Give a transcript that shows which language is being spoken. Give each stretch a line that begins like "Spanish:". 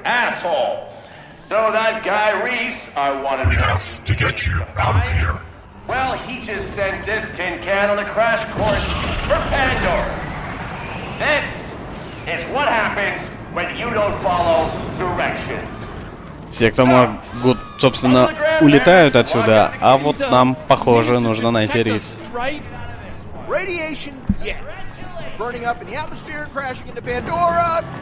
English: asshole! So that guy Reese, I wanted to... We have to get you out of here. Well, he just sent this tin can on a crash course for Pandora. This is what happens when you don't follow directions.
Russian: Все, кто мог, собственно, улетают отсюда, а вот нам, похоже, нужно найти Рис.
English: Radiation? Yes. Burning up in the atmosphere, crashing into Pandora?